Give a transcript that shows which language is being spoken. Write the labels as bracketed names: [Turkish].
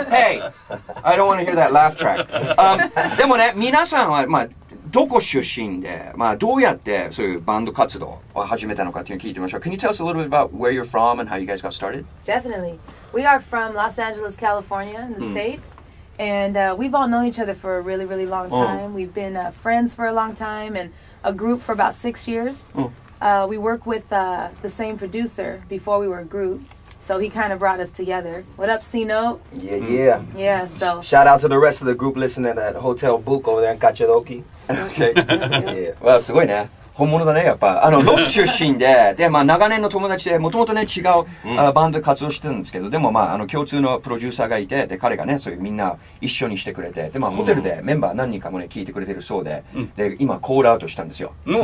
[English] Hey, I don't want to hear that laugh track. [Japanese] でもね、皆さんはまあどこ出身で、まあどうやってそういうバンド活動を始めたのかっていうのを聞いてみましょう。 [English] Can you tell us a little bit about where you're from and how you guys got started? Definitely. We are from Los Angeles, California in the States. And we've all known each other for a really, really long time. We've been friends for a long time and a group for about 6 years. We work with the same producer before we were a group. So he kind of brought us together. What up, C-Note? Yeah, so. Shout out to the rest of the group listening at Hotel Book over there in Kachiroki. Okay. Yeah. Wow, [Japanese] すごいね。本物だね、やっぱ。あの、ロス出身で、で、まあ、長年の友達で、もともとね、違う、バンド活動してたんですけど、でも、まあ、あの、共通のプロデューサーがいて、で、彼がね、そういうみんな一緒にしてくれて、で、まあ、ホテルでメンバー何人かもね、聞いてくれてるそうで、で、今、コールアウトしたんですよ。